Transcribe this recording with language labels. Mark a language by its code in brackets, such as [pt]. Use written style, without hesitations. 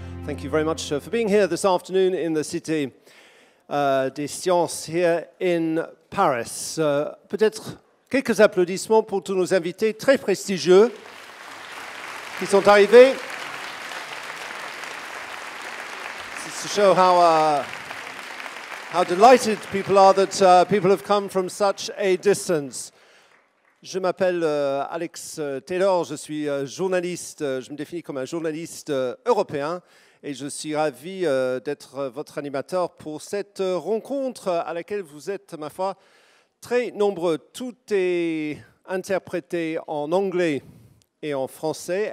[en] Thank you very much for being here this afternoon in the Cité des Sciences here in Paris. [fr] Peut-être quelques applaudissements pour tous nos invités très prestigieux qui sont arrivés. [en] Just to show how delighted people are that people have come from such a distance. [fr] Je m'appelle Alex Taylor, je suis journaliste, je me définis comme un journaliste européen et je suis ravi d'être votre animateur pour cette rencontre à laquelle vous êtes, ma foi, très nombreux. Tout est interprété en anglais et en français.